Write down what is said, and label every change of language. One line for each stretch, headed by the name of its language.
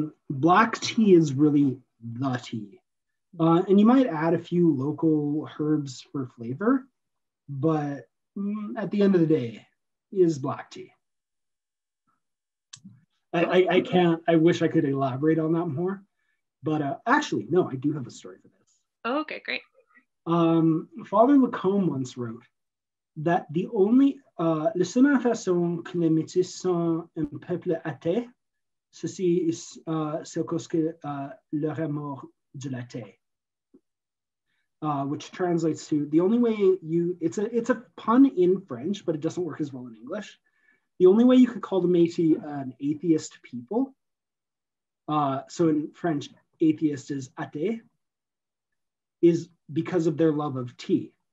English: Black tea is really the tea. And you might add a few local herbs for flavor, but at the end of the day, is black tea. I wish I could elaborate on that more. But actually, no, I do have a story for this. Oh, okay, great. Father Lacombe once wrote that the only
French: le seule façon que les Métis sont un peuple athée, ceci est parce que leur amour de la thé.
English: Which translates to the only way it's a pun in French, but it doesn't work as well in English. The only way you could call the Métis an atheist people. So in French, atheist is athée, is because of their love of tea.